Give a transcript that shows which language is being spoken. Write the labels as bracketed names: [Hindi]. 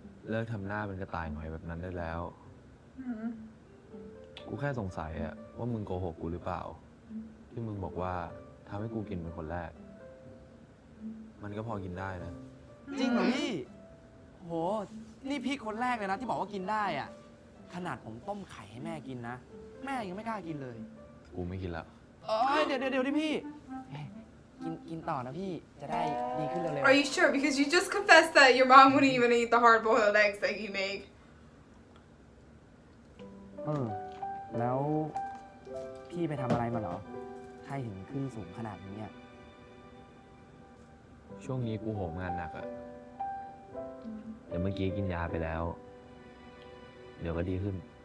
[Thai] เลิกทำหน้าเป็นกระต่ายหน่อยแบบนั้นได้แล้วกูแค่สงสัยอะว่ามึงโกหกกูหรือเปล่าที่มึงบอกว่าทำให้กูกินเป็นคนแรกมันก็พอกินได้นะ จริงเหรอพี่โหนี่พี่คนแรกเลยนะที่บอกว่ากินได้อะขนาดผมต้มไข่ให้แม่กินนะแม่ยังไม่กล้ากินเลย กูไม่กินละ เดี๋ยวดิพี่กินต่อนะพี่จะได้ดีขึ้นเร็วๆ [English] Are you sure? Because you just confessed that your mom wouldn't even eat the hard-boiled eggs that you make. [Thai] แล้วพี่ไปทำอะไรมาเหรอไข้ถึงขึ้นสูงขนาดนี้ช่วงนี้กูโหมงานหนักอะเดี๋ยวเมื่อกี้กินยาไปแล้วเดี๋ยวก็ดีขึ้น